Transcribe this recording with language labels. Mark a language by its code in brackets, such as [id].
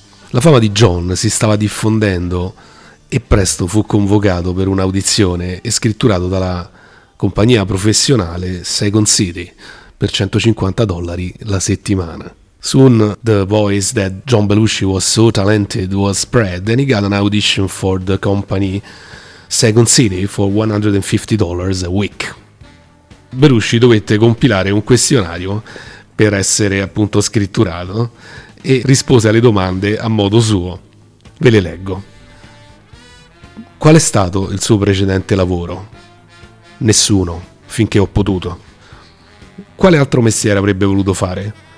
[it] La fama di John si stava diffondendo e presto fu convocato per un'audizione e scritturato dalla compagnia professionale Second City per $150 la settimana. [en] Soon the voice that John Belushi was so talented was spread and he got an audition for the company Second City for $150 a week. [it] Belushi dovette compilare un questionario per essere appunto scritturato e rispose alle domande a modo suo. Ve le leggo. Qual è stato il suo precedente lavoro? Nessuno, finché ho potuto. Quale altro mestiere avrebbe voluto fare?